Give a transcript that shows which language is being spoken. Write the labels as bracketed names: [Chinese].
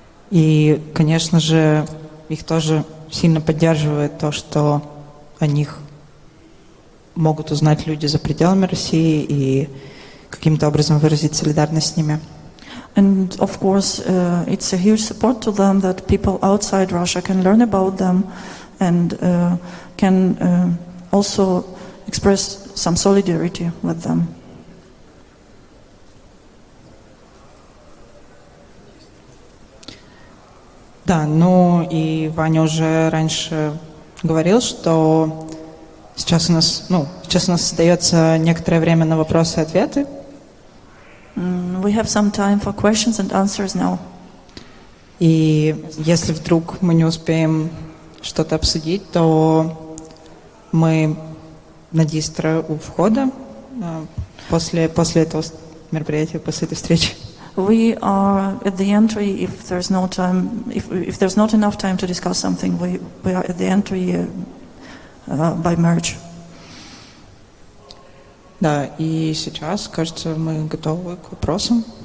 [Russian] И, конечно же, их тоже сильно поддерживает то, что о них могут узнать люди за пределами России и каким-то образом выразить солидарность с ними. [English] And of course, it's a huge support to them that people outside Russia can learn about them and can also express some solidarity with them. [Russian] Да, ну и Ваня уже раньше говорил, что сейчас у нас, ну, сейчас у нас остается некоторое время на вопросы и ответы. [English] We have some time for questions and answers now. [Russian] И если вдруг мы не успеем что-то обсудить, то мы на дистро у входа после этого мероприятия, после этой встречи. [English] We are at the entry. If there's no time, if there's not enough time to discuss something, we are at the entry by merge. [Russian] Да, и сейчас, кажется, мы готовы к вопросам.